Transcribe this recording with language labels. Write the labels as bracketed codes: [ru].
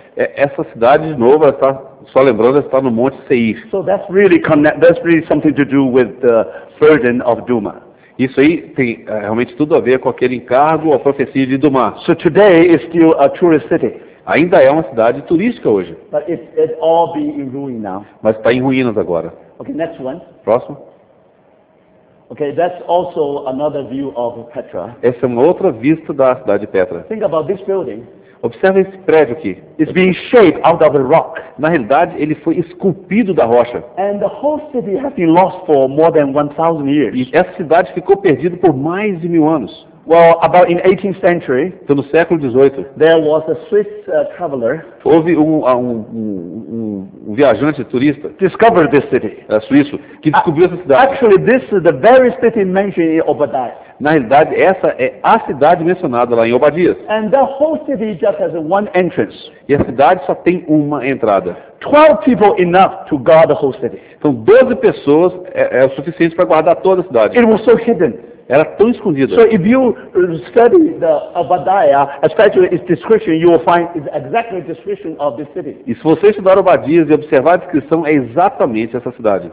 [pt] Essa cidade de novo, ela está, só lembrando, está no Monte Seir. [en] So that's really something to do with the burden of Duma. [pt] Isso aí tem realmente tudo a ver com aquele encargo, a profecia de Dumas. [en] So today is still a tourist city. [pt] Ainda é uma cidade turística hoje. [en] But it's all being ruined now. [pt] Mas está em ruínas agora. [en] Okay, next one. [pt] Próximo. [en] Okay, that's also another view of Petra. [pt] Essa é uma outra vista da cidade de Petra. [en] Think about this building. [pt] Observe esse prédio aqui. [en] It's being shaped out of a rock. [pt] Na realidade, ele foi esculpido da rocha. [en] And the whole city has been lost for more than 1,000 years. [pt] E essa cidade ficou perdida por mais de 1,000 anos. [en] Well, about in 18th century, [pt] então, no século XVIII, [en] there was a Swiss traveler. [pt] Houve um viajante turista. [en] Discovered this city. [pt] Suíço, que descobriu essa cidade. [en] Actually, this is the very city mentioned in Obadiah. [pt] Na realidade, essa é a cidade mencionada lá em Obadias. [en] And the whole city just has one entrance. [pt] E a cidade só tem uma entrada. [en] 12 people enough to guard the whole city. [pt] Então, 12 pessoas é o suficiente para guardar toda a cidade. [en] It was so hidden. [pt] Era tão escondida. [en] So if you study the Obadiah, especially its description, you will find it's exactly the description of this city. [pt] E se você estudar Obadias e observar a descrição, é exatamente essa cidade.